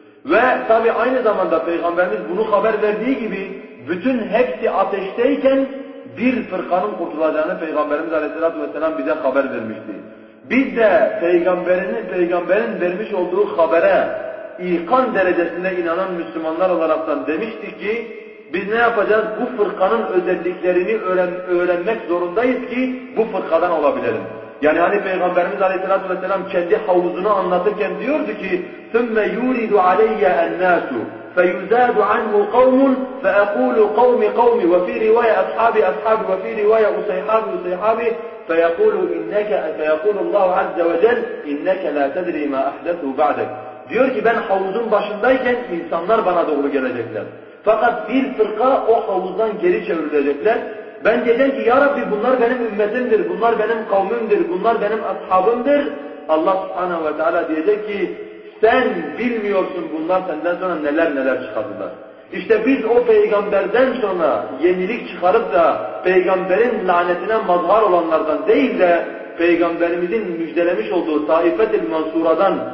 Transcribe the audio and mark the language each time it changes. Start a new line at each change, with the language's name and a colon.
Turkish: Ve tabi aynı zamanda Peygamberimiz bunu haber verdiği gibi bütün hepsi ateşteyken bir fırkanın kurtulacağını Peygamberimiz Aleyhisselatü Vesselam bize haber vermişti. Biz de Peygamberin vermiş olduğu habere ikan derecesinde inanan Müslümanlar olaraktan demiştik ki biz ne yapacağız? Bu fırkanın özelliklerini öğrenmek zorundayız ki bu fırkadan olabilelim. Yani hani Peygamberimiz Aleyhisselatü Vesselam kendi havuzunu anlatırken diyordu ki
Arabic: ثُمَّ يُولِدُ عَلَيَّ أَنَّاسُ فَيُزَادُ عَنْهُ قَوْمٌ فَأَقُولُ قَوْمِ قَوْمِ وَفِي رِوَيَ أَصْحَابِ أَصْحَابِ وَفِي رِوَيَ أُسَيْحَابِ أُسَيْحَابِ فَيَقُولُ اللّٰهُ عَزَّ وَجَلْ اِنَّكَ لَا تَدْرِي مَا أَحْدَثُ بَعْدَكَ
Turkish: Diyor ki ben havuzun başındayken insanlar bana doğru gelecekler. Fakat bir fırka o havuzdan geri çevrilecekler. Ben diyeceğim ki ya Rabbi bunlar benim ümmetimdir, bunlar benim kavmimdir, bunlar benim ashabımdır. Allah subhanahu ve teala diyecek ki sen bilmiyorsun bunlar senden sonra neler neler çıkardılar. İşte biz o peygamberden sonra yenilik çıkarıp da peygamberin lanetine mazhar olanlardan değil de peygamberimizin müjdelemiş olduğu taifet-ül mansuradan,